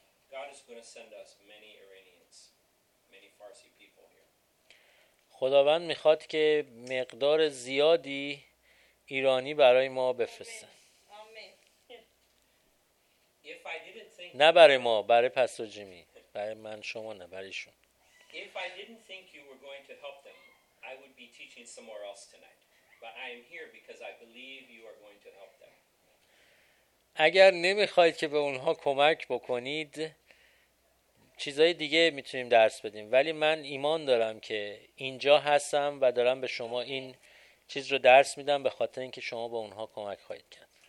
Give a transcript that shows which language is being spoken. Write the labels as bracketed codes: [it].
[en] God is going to send us many Iranians, many Farsi people here. [fa] خداوند میخواد که مقدار زیادی ایرانی برای ما بفرسته. [en] If I didn't think [fa] نه برای ما، برای پاستور جیمی، برای من شما نه، برای ایشون. [en] If I didn't think you were going to help them, I would be teaching somewhere else tonight. But I am here because I believe you are going to help them. [fa] اگر نمیخواید که به اونها کمک بکنید، چیزهای دیگه میتونیم درس بدیم، ولی من ایمان دارم که اینجا هستم و دارم به شما این چیز رو درس میدم به خاطر اینکه شما به اونها کمک خواهید کرد.